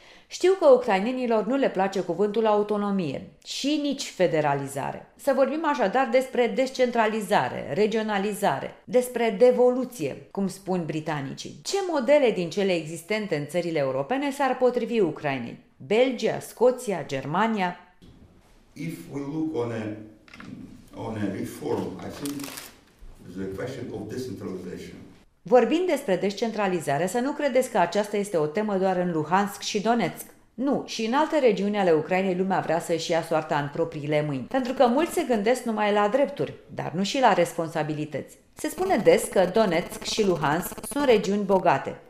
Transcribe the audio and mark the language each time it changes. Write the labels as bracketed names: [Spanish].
[Romanian] Știu că ucrainenilor nu le place cuvântul autonomie și nici federalizare. Să vorbim așadar despre descentralizare, regionalizare, despre devoluție, cum spun britanicii. Ce modele din cele existente în țările europene s-ar potrivi Ucrainei? Belgia, Scoția, Germania? [English] If we look on a reform, I think the question of decentralization. [Romanian] Vorbind despre descentralizare, să nu credeți că aceasta este o temă doar în Luhansk și Donetsk. Nu, și în alte regiuni ale Ucrainei lumea vrea să-și ia soarta în propriile mâini. Pentru că mulți se gândesc numai la drepturi, dar nu și la responsabilități. Se spune des că Donetsk și Luhansk sunt regiuni bogate.